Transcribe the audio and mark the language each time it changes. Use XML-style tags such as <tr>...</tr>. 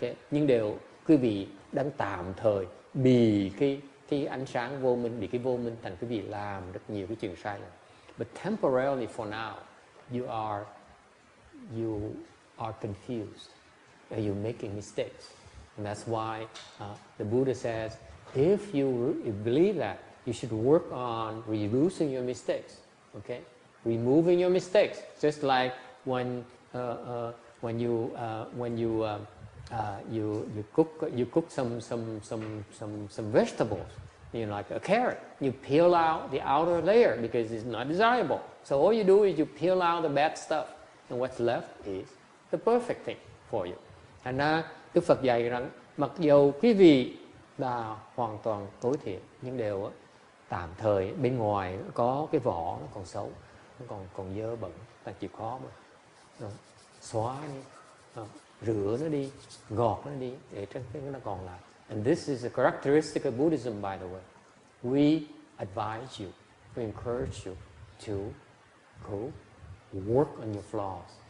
<vi>Nhưng đều quý vị đang tạm thời bị cái ánh sáng vô minh, bị cái vô minh thành cái vị làm rất nhiều cái chuyện sai lầm.</vi> <en>But temporarily for now, you are you are confused, and you're making mistakes. And that's why the Buddha says, if you believe that, you should work on reducing your mistakes, okay? Removing your mistakes, just like when you cook some vegetables, you know, like a carrot, you peel out the outer layer because it's not desirable. So all you do is you peel out the bad stuff, and what's left is the perfect thing for you.</en> <vi>And Đức Phật dạy rằng mặc dù quý vị là hoàn toàn tối thiện nhưng đều tạm thời bên ngoài có cái vỏ nó còn xấu, nó còn dơ bẩn, ta chịu khó mà xóa đi, rửa nó đi, gọt nó đi để cho nó còn lại.</vi> <en>And this is a characteristic of Buddhism, by the way. We advise you, we encourage you to go work on your flaws.</en>